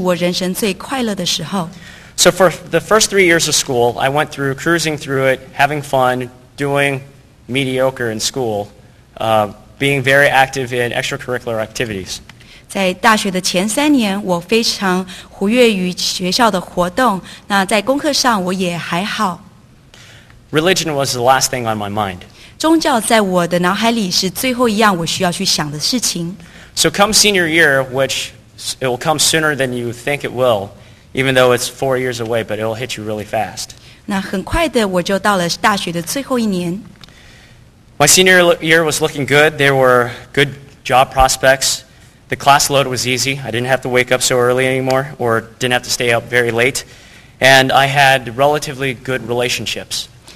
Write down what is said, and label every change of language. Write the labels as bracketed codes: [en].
[zh] 那我现在和大家分享的是我觉得我人生最低点的时候，或许在外邦人的眼中，那是我人生最快乐的时候。 [en] So for the first 3 years of school, I went through cruising through it, having fun, doing mediocre in school, being very active in extracurricular activities. [zh] 在大学的前三年，我非常活跃于学校的活动，那在功课上我也还好。 [en] Religion was the last thing on my mind. [zh] 宗教在我的脑海里是最后一样我需要去想的事情。 [en] So come senior year, which it will come sooner than you think it will, even though it's 4 years away, but it will hit you really fast. [zh] 那很快的我就到了大学的最后一年。 [en] My senior year was looking good. There were good job prospects. The class load was easy. I didn't have to wake up so early anymore, or didn't have to stay up very late. And I had relatively good relationships.